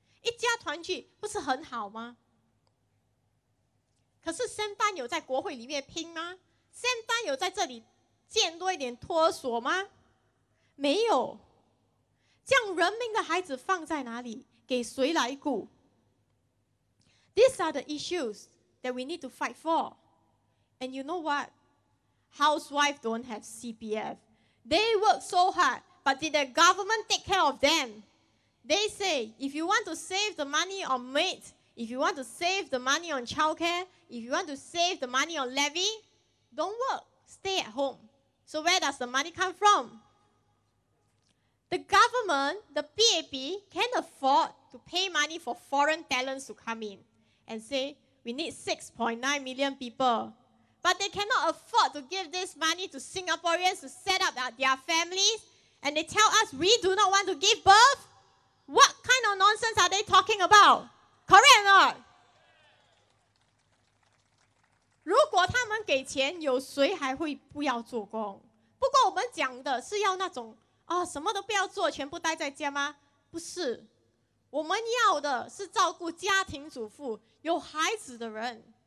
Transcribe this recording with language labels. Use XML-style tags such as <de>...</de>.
<zh>一家团聚不是很好吗？可是三班有在国会里面拼吗？三班有在这里建多一点托儿所吗？没有。这样人民的孩子放在哪里？给谁来顾？</zh> <en>These are the issues that we need to fight for. And you know what? Housewives don't have CPF. They work so hard, but did the government take care of them? They say, if you want to save the money on maids, if you want to save the money on childcare, if you want to save the money on levy, don't work, stay at home. So where does the money come from? The government, the PAP, can't afford to pay money for foreign talents to come in and say, we need 6.9 million people. But they cannot afford to give this money to Singaporeans to set up their families, and they tell us we do not want to give birth? What kind of nonsense are they talking about? Correct or not?</en> <zh>如果他们给钱，有谁还会不要做工？不过我们讲的是要那种啊，什么都不要做，全部待在家吗？不是，我们要的是照顾家庭主妇、有孩子的人。</zh>